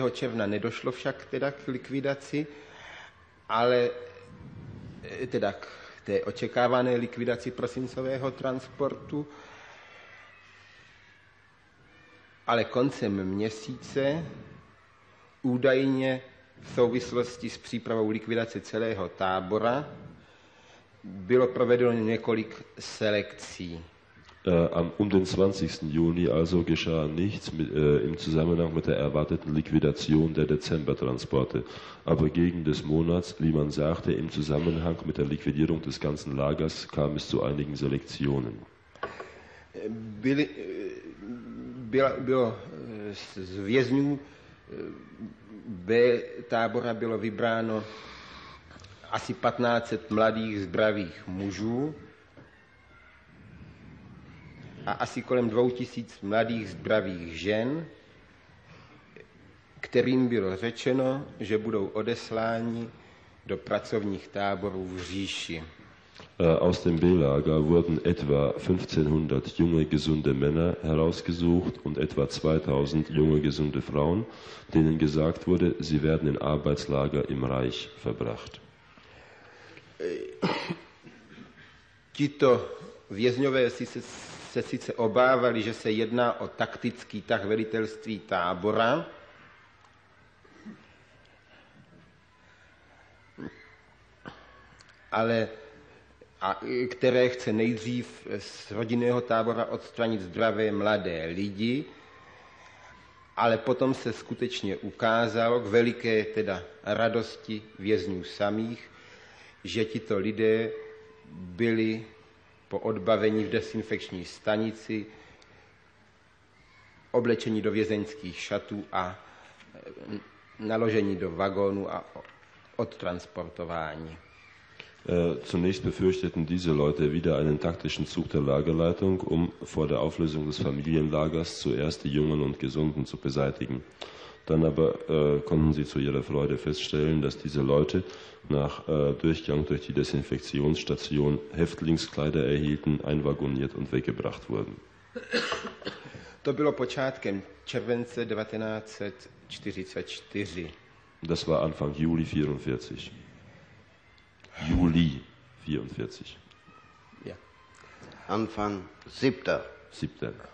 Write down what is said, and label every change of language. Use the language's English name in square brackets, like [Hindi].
[Czech] června nedošlo však teda k likvidaci, ale teda k té očekávané likvidaci prosincového transportu, ale koncem měsíce údajně v souvislosti s přípravou likvidace celého tábora bylo provedeno několik selekcí. [German] Den 20. Juni also geschah nichts im Zusammenhang mit der erwarteten Liquidation der Dezembertransporte. Aber gegen des Monats, wie man sagte, im Zusammenhang mit der Liquidierung des ganzen Lagers kam es zu einigen Selektionen. [Czech] bylo z vězňů B tábora bylo vybráno asi 1500 mladých zdravých mužů a asi kolem 2000 mladých zdravých žen, kterým bylo řečeno, že budou odesláni do pracovních táborů v říši. [German] Aus dem B-Lager wurden etwa 1500 junge gesunde Männer herausgesucht und etwa 2000 junge gesunde Frauen, denen gesagt wurde, sie werden in Arbeitslager im Reich verbracht. [Czech] Tito vězňové se sice obávali, že se jedná o taktický tah velitelství tábora, ale a které chce nejdřív z rodinného tábora odstranit zdravé mladé lidi, ale potom se skutečně ukázalo k veliké teda radosti vězňů samých, že tito lidé byli po odbavení v desinfekční stanici oblečeni do vězeňských šatů a naloženi do vagónu a odtransportováni. [German] Zunächst befürchteten diese Leute wieder einen taktischen Zug der Lagerleitung, um vor der Auflösung des Familienlagers zuerst die Jungen und Gesunden zu beseitigen. Dann aber konnten sie zu ihrer Freude feststellen, dass diese Leute nach Durchgang durch die Desinfektionsstation Häftlingskleider erhielten, einwaggoniert und weggebracht wurden. [Czech] To bylo počátkem července 1944. [German] Das war Anfang Juli 1944. Juli 44. Ja. Anfang 7. 7.